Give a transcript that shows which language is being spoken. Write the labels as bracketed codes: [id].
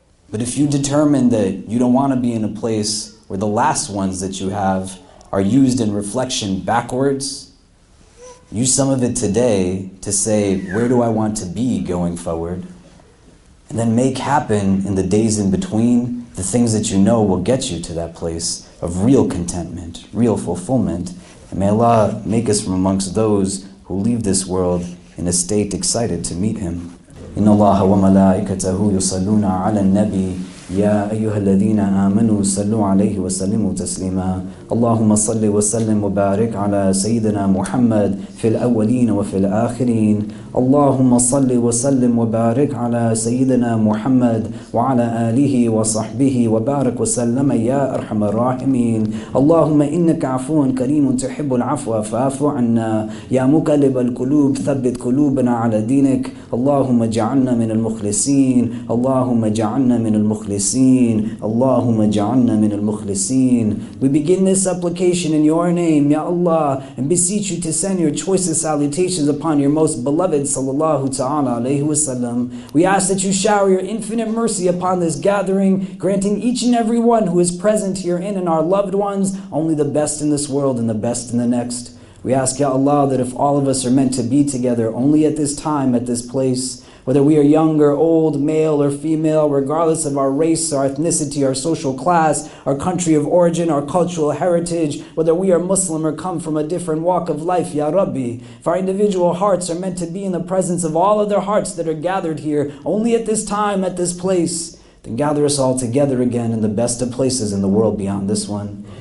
[en] But if you determine that you don't want to be in a place where the last ones that you have are used in reflection backwards, use some of it today to say, where do I want to be going forward? And then make happen in the days in between the things that you know will get you to that place of real contentment, real fulfillment. And may Allah make us from amongst those who leave this world in a state excited to meet Him. [ar] إن الله وملائكته يصلون على النبي يا أيها الذين آمنوا صلوا عليه وسلموا تسليما اللهم صل وسلم وبارك على سيدنا محمد في الأولين وفي الآخرين اللهم صل وسلم وبارك على سيدنا محمد وعلى آله وصحبه وبارك وسلم يا أرحم الراحمين اللهم إنك عفو كريم تحب العفو فاعف عنا يا مقلب القلوب ثبت قلوبنا على دينك اللهم اجعلنا من المخلصين اللهم اجعلنا من المخلصين اللهم اجعلنا من المخلصين [en] We begin this supplication in your name, Ya Allah, and beseech you to send your choicest salutations upon your most beloved Sallallahu ta'ala alayhi wa sallam. We ask that you shower your infinite mercy upon this gathering, granting each and every one who is present herein and our loved ones only the best in this world and the best in the next. We ask, Ya Allah, that if all of us are meant to be together only at this time, at this place, whether we are young or old, male or female, regardless of our race, our ethnicity, our social class, our country of origin, our cultural heritage, whether we are Muslim or come from a different walk of life, Ya Rabbi, if our individual hearts are meant to be in the presence of all other hearts that are gathered here only at this time, at this place, then gather us all together again in the best of places in the world beyond this one.